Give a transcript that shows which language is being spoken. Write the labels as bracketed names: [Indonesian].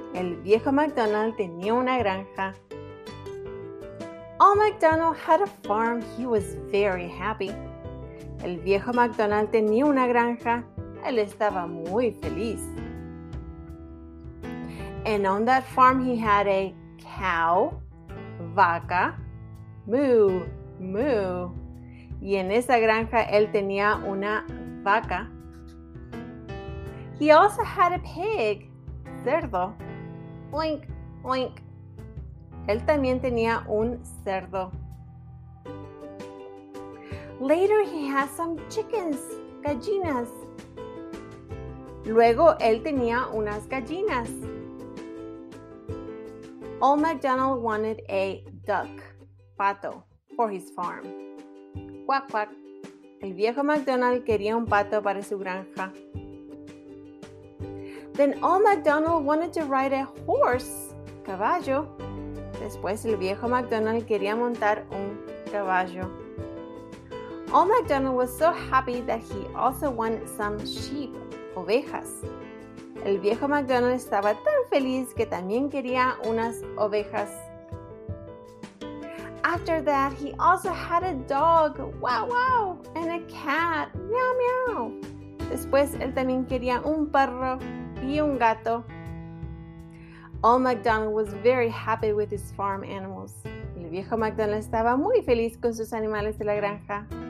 [Spanish] El viejo MacDonald tenía una granja. [English] Old MacDonald had a farm. He was very happy. [Spanish] El viejo MacDonald tenía una granja. Él estaba muy feliz. [English] And on that farm, he had a cow, vaca, moo. [Spanish] Y en esa granja, él tenía una vaca. [English] He also had a pig, cerdo, oink, oink. [Spanish] Él también tenía un cerdo. [English] Later, he had some chickens, [Spanish] gallinas. Luego, él tenía unas gallinas. [English] Old MacDonald wanted a duck, pato, for his farm. Quack, quack. [Spanish] El viejo MacDonald quería un pato para su granja. [English] Then Old MacDonald wanted to ride a horse, caballo. [Spanish] Después el viejo MacDonald quería montar un caballo. [English] Old MacDonald was so happy that he also wanted some sheep, ovejas. [Spanish] El viejo MacDonald estaba tan feliz que también quería unas ovejas. [English] After that, he also had a dog, wow, wow, and a cat, meow, meow. [Spanish] Después, él también quería un perro y un gato. [English] Old MacDonald was very happy with his farm animals. [Spanish] El viejo MacDonald estaba muy feliz con sus animales de la granja.